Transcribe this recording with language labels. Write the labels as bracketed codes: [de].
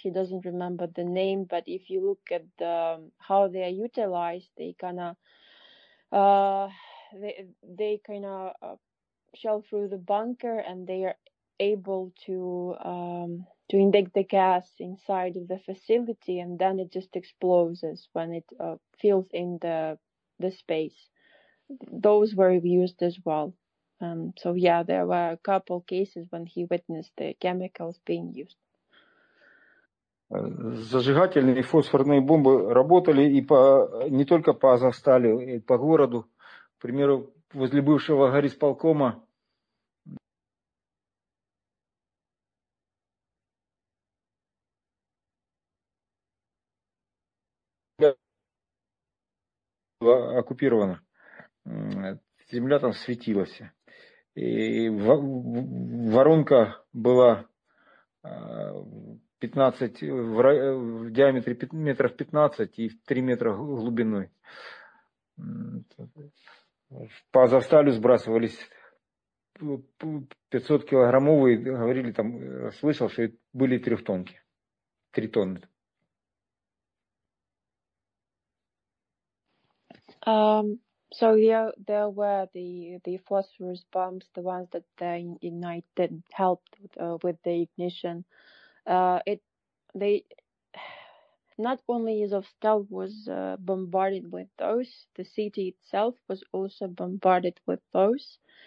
[en] He doesn't remember the name, but if you look at the how they are utilized, they kind of shell through the bunker, and they are able to inject the gas inside of the facility, and then it just explodes when it fills in the space. Those were used as well. So yeah, there were a couple cases when he witnessed the chemicals being used. [ru] Зажигательные фосфорные бомбы работали и по не только по Азовсталю, и по городу. К примеру, возле бывшего горисполкома оккупирована. Земля там светилась. И воронка была 15, в диаметре метров 15 и 3 метра глубиной. По Азовсталю сбрасывались 500 килограммовые, говорили там, слышал, что были трехтонки, 3 тонны. [en] So there were the phosphorus bombs, the ones that they ignited, helped with the ignition. Not only Azovstal was bombarded with those, the city itself was also bombarded with those.